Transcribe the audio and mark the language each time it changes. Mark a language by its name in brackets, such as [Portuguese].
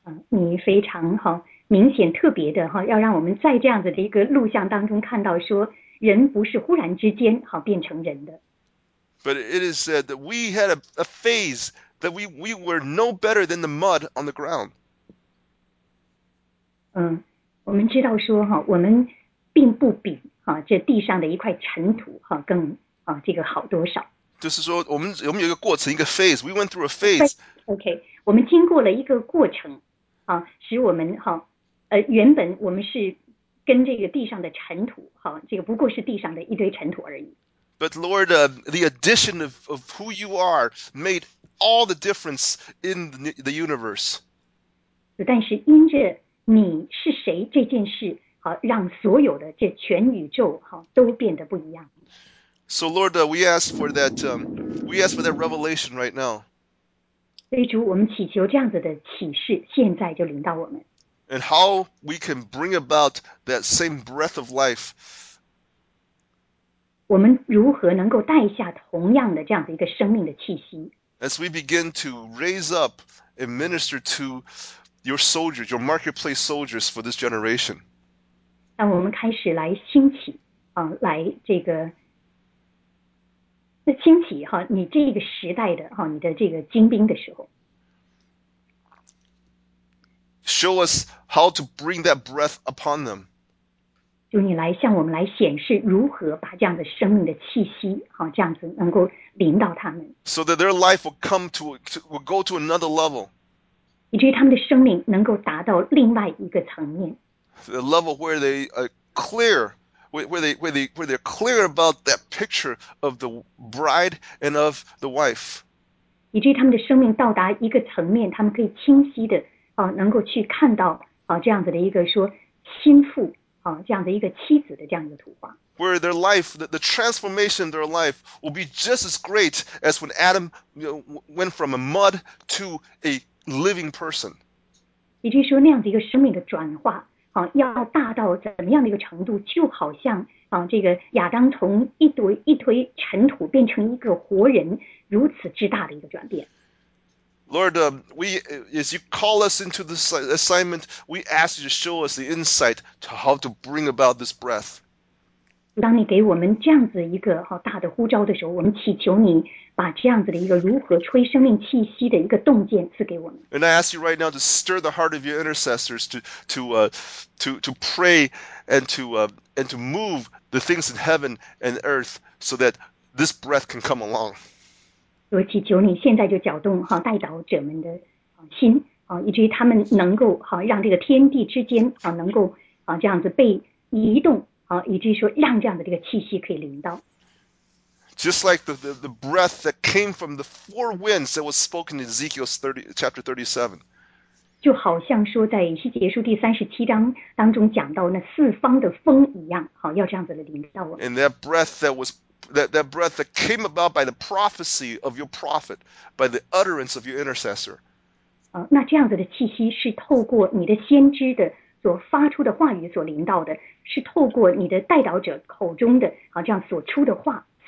[Chinese] 你非常明显特别的要让我们在这样子的一个录像当中看到说人不是忽然之间变成人的。 [English] But it is said that we had a phase that we were no better than the mud on the ground. [Chinese] 我们知道说我们并不比这地上的一块尘土更这个好多少。就是说我们有一个过程，一个 phase. [English] We went through a phase. [Chinese] Okay, 我们经过了一个过程使我们原本我们是跟这个地上的尘土这个不过是地上的一堆尘土而已。 [English] But Lord, the addition of who you are made all the difference in the universe. [Chinese] 但是因着你是谁这件事，让所有的这全宇宙，都变得不一样。 [English] So Lord, we ask for that revelation right now. [Chinese] 所以主，我们祈求这样子的启示，现在就临到我们。 [English] And how we can bring about that same breath of life. [Chinese] 我们如何能够带下同样的这样的一个生命的气息 [English] ？As we begin to raise up and minister to your soldiers, your marketplace soldiers for this generation. [Chinese] 当我们开始来兴起，来这个，那兴起你这个时代的你的这个精兵的时候 [English] ，Show us how to bring that breath upon them. [Chinese] 就你来向我们来显示如何把这样的生命的气息这样子能够临到他们。 [English] So that their life will come will go to another level. [Chinese] 以至于他们的生命能够达到另外一个层面。 [English] The level where they are clear, where they're clear about that picture of the bride and of the wife. [Chinese] 以至于他们的生命到达一个层面，他们可以清晰的能够去看到这样子的一个说心腹。这样的一个妻子的这样一个图画 [English] ，where their life, the transformation of their life will be just as great as when Adam went from a mud to a living person. [Chinese] 也就是说，那样的一个生命的转化，要大到怎么样的一个程度，就好像这个亚当从一堆尘土变成一个活人，如此之大的一个转变。 [English] Lord, as you call us into this assignment, we ask you to show us the insight to how to bring about this breath. [Chinese] 当你给我们这样子一个大的呼召的时候，我们祈求你把这样子的一个如何吹生命气息的一个洞见赐给我们。 [English] And I ask you right now to stir the heart of your intercessors to pray and to move the things in heaven and earth so that this breath can come along. [Chinese] 所以祈求你现在就搅动哈代祷者们的心啊，以至于他们能够哈让这个天地之间啊能够啊这样子被移动啊，以至于说让这样的这个气息可以临到。 [English] Just like the breath that came from the four winds that was spoken in Ezekiel chapter 37. [Chinese] 就好像说在以西结书第三十七章当中讲到那四方的风一样，好，要这样子的临到我。 [English] And that breath that was that breath that came about by the prophecy of your prophet, by the utterance of your intercessor. [Chinese] 啊，那这样子的气息是透过你的先知的所发出的话语所临到的，是透过你的代祷者口中的啊这样所出的话。